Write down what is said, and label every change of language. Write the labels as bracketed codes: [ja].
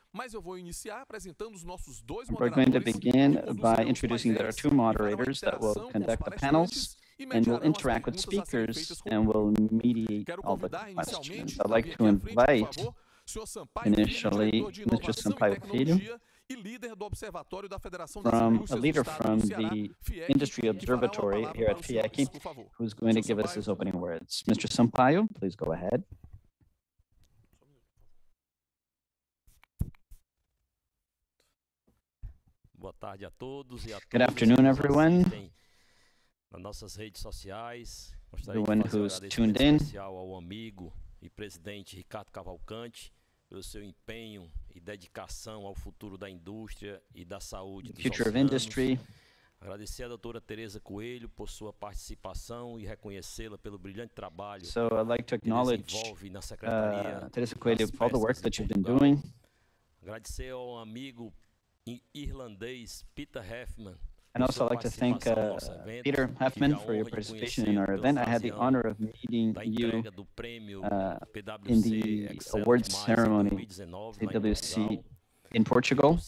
[pt] Mas eu vou iniciar apresentando os nossos dois moderadores. [en] We're going to begin by introducing that our two moderators that will conduct the panels and will interact with speakers and will mediate all the questions. I'd like to invite initially Mr. Sampaio Filho, from the Industry Observatory here at FIEC, who's going to give us his opening words. Mr. Sampaio, please go ahead. Good afternoon, everyone. Everyone who's tuned in. [pt] Ao amigo e presidente Ricardo Cavalcante, pelo seu empenho e dedicação ao futuro da indústria e da saúde dos [en] future of industry. [pt] Agradecer à doutora Teresa Coelho por sua participação e reconhecê-la pelo brilhante trabalho. [en] So I'd like to acknowledge Teresa Coelho for all the work that you've been doing. [pt] Agradecer ao amigo irlandês Peter Heffman. [en] And also I'd like to thank Peter Heffman for your participation in our event. I had the honor of meeting you in the awards ceremony PwC in Portugal.